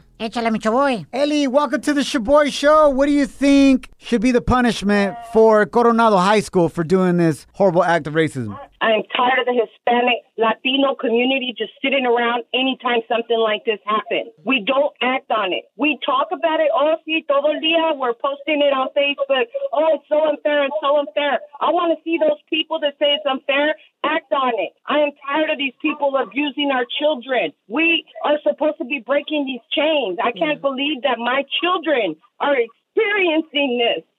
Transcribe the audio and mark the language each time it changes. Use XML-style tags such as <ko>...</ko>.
<es>Échale, mi Shaboy.</es> <en>Eli, welcome to the Shaboy Show. What do you think should be the punishment for Coronado High School for doing this horrible act of racism? I'm tired of the Hispanic Latino community just sitting around anytime something like this happens. We don't act on it. We talk about it all</en> <es>sí, todo el día.</es> <en>We're posting it on Facebook. Oh, it's so unfair. It's so unfair. I want to see those people that say it's unfair act on it. I am tired of these people abusing our children. We are supposed to be breaking these chains. I can't believe that my children are experiencing this.</en>